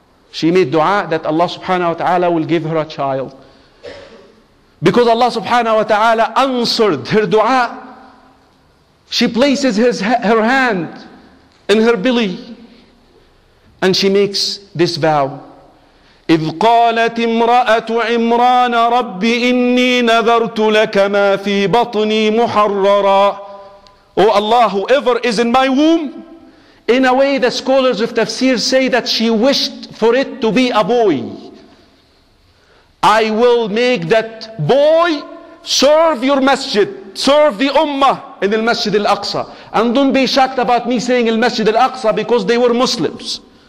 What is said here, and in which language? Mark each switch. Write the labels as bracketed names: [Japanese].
[English] She made dua that Allah subhanahu wa ta'ala will give her a child. Because Allah subhanahu wa ta'ala answered her dua, she places her hand in her belly. And she makes this vow. [Arabic] إذ قالت امرأة عمران رب إني نذرت لك ما في بطني محررا. [English] Oh Allah, whoever is in my womb. In a way, the scholars of tafsir say that she wished for it to be a boy. I will make that boy serve your masjid, serve the ummah in the Masjid al-Aqsa. And don't be shocked about me saying the Masjid al-Aqsa, because they were Muslims.